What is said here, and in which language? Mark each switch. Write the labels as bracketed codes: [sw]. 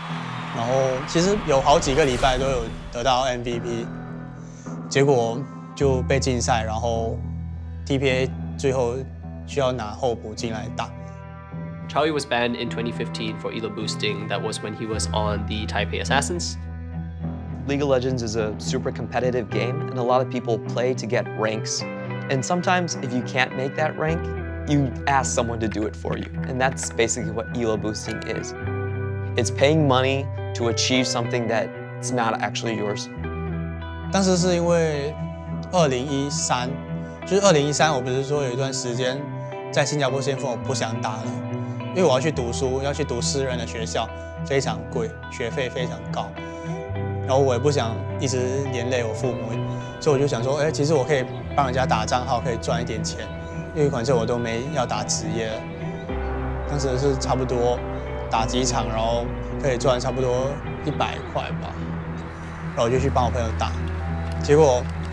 [zh] 所以就觉得自己就浪费了一年，当时就非常失望，感觉有点被骗过来台湾。然后2015教练跟经理有答应我，就是一定会让我上场，一定会让我先发，所以我就一直很把握。然后其实有好几个礼拜都有得到 MVP， 结果。就被禁赛，然后 TPA 最后需要拿候补进来打。 [en] Chawy was banned in 2015 for elo boosting. That was when he was on the Taipei Assassins. League of Legends is a super competitive game, and a lot of people play to get ranks. And sometimes, if you can't make that rank, you ask someone to do it for you. And that's basically what elo boosting is. It's paying money to achieve something that's not actually yours. [zh] 当时是因为 2013，就是2013，我不是说有一段时间在新加坡先锋，我不想打了，因为我要去读书，要去读私人的学校，非常贵，学费非常高，然后我也不想一直连累我父母，所以我就想说，哎，其实我可以帮人家打账号，可以赚一点钱，因为反正我都没要打职业，当时是差不多打几场，然后可以赚差不多100块吧，然后我就去帮我朋友打，结果。